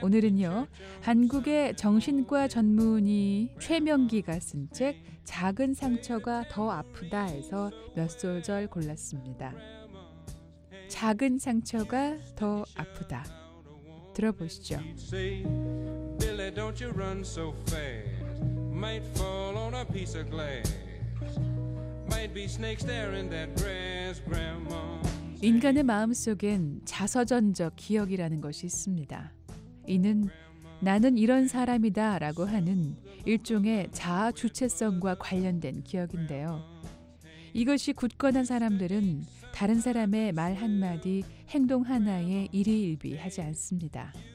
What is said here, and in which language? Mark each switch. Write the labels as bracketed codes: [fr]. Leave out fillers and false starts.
[ko] 오늘은요, 한국의 정신과 전문의 최명기가 쓴 책 작은 상처가 더 아프다 해서 몇 소절 골랐습니다. 작은 상처가 더 아프다 들어보시죠. [en] Billy, don't you run so fast. Might fall on a piece of glass. Might be snakes there in that grass, Grandma. [ko] 인간의 마음속엔 자서전적 기억이라는 것이 있습니다. 이는 나는 이런 사람이다 라고 하는 일종의 자아 주체성과 관련된 기억인데요. 이것이 굳건한 사람들은 다른 사람의 말 한마디, 행동 하나에 일희일비하지 않습니다.